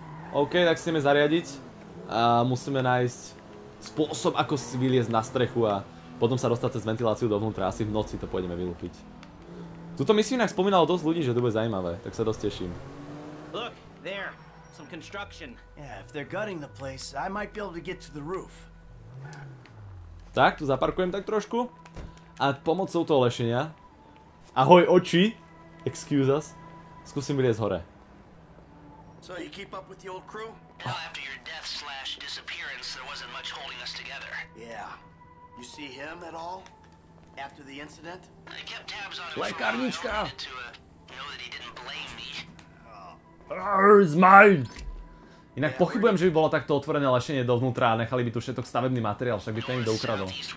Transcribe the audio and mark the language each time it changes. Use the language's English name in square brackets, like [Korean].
[Slovak] OK, tak si ideme zariadiť. A musíme nájsť spôsob, ako si vyliezť na strechu a potom sa dostať cez ventiláciu dovnútra. Asi v noci to pôjdeme vylúpiť. Tuto mi si inak spomínalo dosť ľudí, že to bude zaujímavé, tak sa dosť teším. [English] Look, there. Some construction. Yeah, if they're gutting the place, I might be able to get to the roof. [Slovak] Tak, tu zaparkujem tak trošku. A pomocou toho lešenia. Ahoj, oči. Excuse us. Skúsim vyliezť hore. [English] So you keep up with the old crew? Well, after your death/disappearance, there wasn't much holding us together. Yeah. You see him at all? After the incident? I kept tabs on him. Lekárnička. Know that he didn't blame me. Where's mine? [Slovak] Inak pochybujem, že by bolo takto otvorené lešenie dovnútra a nechali by tu všetok stavebný materiál, však by to niekto ukradol.